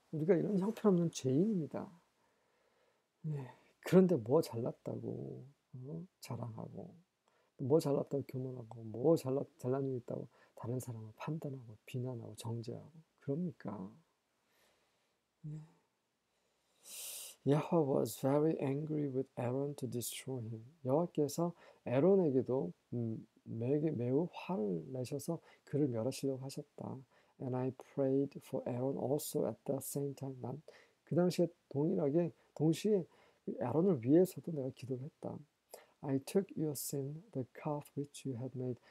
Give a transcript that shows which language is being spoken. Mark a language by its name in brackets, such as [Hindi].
[Korean] 우리가 이런 형편없는 죄인입니다. 네. 그런데 뭐 잘났다고 자랑하고, 뭐 잘났다고 교만하고, 뭐 잘난 일이 있다고 다른 사람을 판단하고, 비난하고, 정죄하고, 그럽니까? 네. [English] Yahweh was very angry with Aaron to destroy him. [Korean] 여호와께서 에론에게도 매우 화를 내셔서 그를 멸하시려고 하셨다. [English] And I prayed for Aaron also at the same time. [Korean] 난그 당시에 동시에 아론을 위해서도 내가 기도를 했다. [English] I took your sin, the calf which you had made.